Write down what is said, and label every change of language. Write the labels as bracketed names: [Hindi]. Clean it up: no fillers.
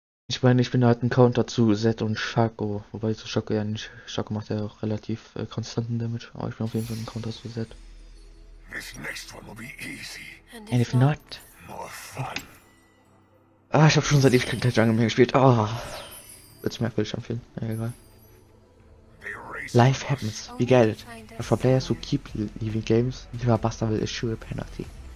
[German] Ich meine, ich bin halt ein Counter zu Z und Shaco. Wobei zu Shaco ja nicht. Shaco macht ja auch relativ konstanten Damage. Aber ich bin auf jeden Fall ein Counter zu Z. [English] This next one will be easy. And if not, more fun. [German] Ah, ich habe schon seit Ewigkeit kein Jungle mehr gespielt. Ah, oh, wird sich merkwürdig anfühlen. Ja, egal. [English] Life happens. We get it. But for players who keep leaving games, Liva Buster will issue a penalty.